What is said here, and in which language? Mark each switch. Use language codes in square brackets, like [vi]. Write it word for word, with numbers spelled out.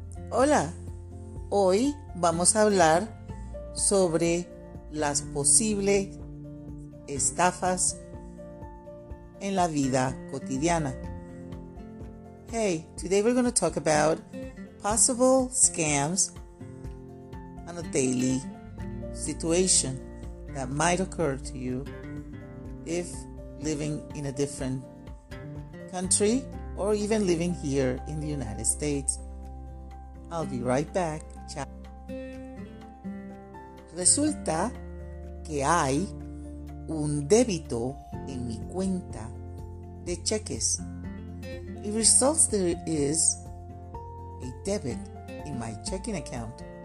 [es] Hola, hoy vamos a hablar sobre las posibles estafas in la vida cotidiana. [en] Hey, today we're going to talk about possible scams on a daily situation that might occur to you if living in a different country or even living here in the United States. I'll be right back. Ciao. [es] Resulta que hay un débito en mi cuenta de cheques. [en] It results there is a debit in my checking account.